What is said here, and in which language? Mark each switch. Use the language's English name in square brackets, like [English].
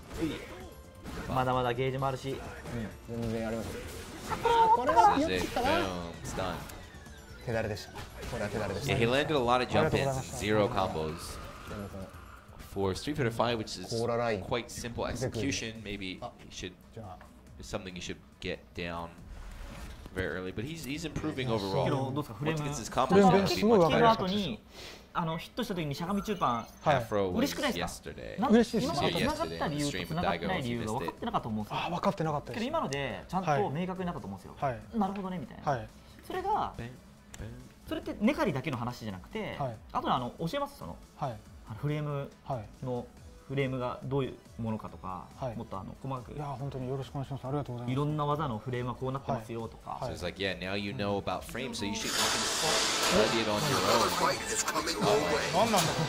[English] Yeah, he landed a lot of jump ins, zero combos. For Street Fighter 5, which is quite simple execution, maybe it's something you should get down very early. But he's improving overall. Once he gets his combos down, he'll be much better. [Japanese] あのヒットした時にしゃがみ中盤、はい、嬉しくないですか？嬉しいです。今までつながった理由とつながってない理由が分かってなかったと思うんですよ。分かってなかったです。けど今のでちゃんと明確になったと思うんですよ。はい、なるほどねみたいな。はい、それがそれってネカリだけの話じゃなくて、はい、あとはあの教えますその、はい、あのフレームのフレームがどういうものかとか、はい、もっとあの細かく。いや本当によろしくお願いします。ありがとうございます。いろんな技のフレームはこうなってますよとか。 [English] So it's like yeah, now you know about frames, so you should study it on your own. [Japanese] 何なんだ。